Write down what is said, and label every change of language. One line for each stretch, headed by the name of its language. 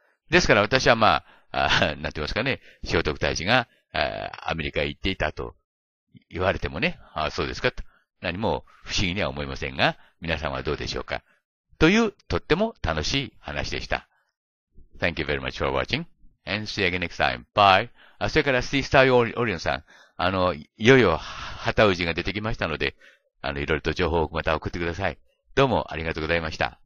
Japanese: ですから私はまあ、なんて言いますかね、聖徳太子が、アメリカへ行っていたと言われてもね、ああそうですかと、何も不思議には思いませんが、皆さんはどうでしょうか。という、とっても楽しい話でした。
English: Thank you very much for watching. And see you again next time. Bye.
Japanese: あ、それから、シースターオリオンさん。いよいよ、旗氏が出てきましたので、いろいろと情報をまた送ってください。どうも、ありがとうございました。